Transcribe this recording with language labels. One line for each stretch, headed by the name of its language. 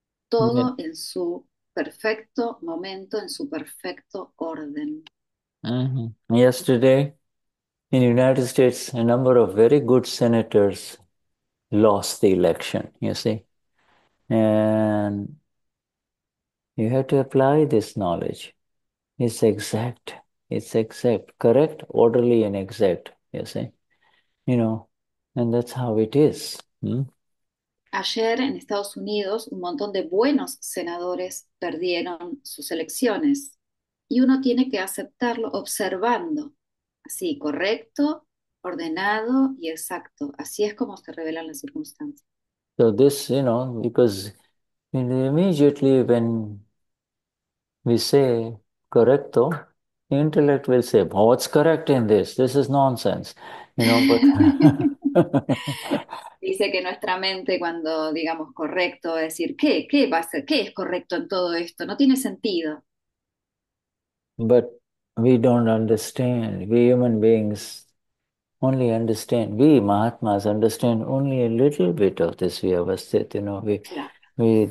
Spanish: Todo en su perfecto momento, en su perfecto orden.
English: Yesterday, in the United States, a number of very good senators lost the election, you see. And you have to apply this knowledge. It's exact, correct, orderly, and exact, you see. You know, and that's how it is.
Spanish: Ayer en Estados Unidos un montón de buenos senadores perdieron sus elecciones y uno tiene que aceptarlo observando. Así, correcto, ordenado y exacto. Así es como se revelan las circunstancias.
English: So this, you know, because immediately when we say correcto, the intellect will say, well, what's correct in this? This is nonsense, you know, but
Spanish: Dice que nuestra mente cuando digamos correcto va a decir, ¿qué va a ser? ¿Qué es correcto en todo esto? No tiene sentido.
English: but we don't understand. We human beings only understand, we Mahatmas understand only a little bit of this vyavasthita.